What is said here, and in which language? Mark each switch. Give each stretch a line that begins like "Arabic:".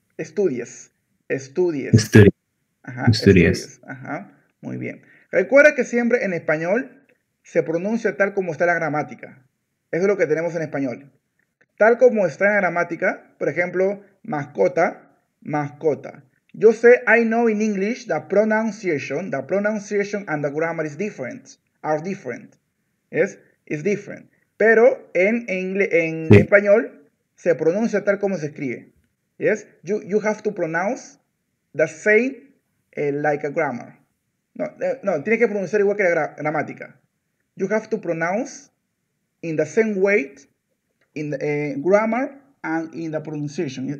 Spanish: Estudies. Estudies. Estudio. Ajá, Estudies. estudies. Ajá, muy bien. Recuerda que siempre en español se pronuncia tal como está la gramática. Eso es lo que tenemos en español. Tal como está en la gramática, por ejemplo, mascota, mascota. Yo sé,
English: I know in English the pronunciation and the grammar is different. Are different. Yes? It's different.
Spanish: Pero en español se pronuncia tal como se escribe.
English: Yes? You have to pronounce the same like a grammar.
Spanish: No, tiene que pronunciar igual que la gramática.
English: You have to pronounce in the same way in the grammar and in the pronunciation.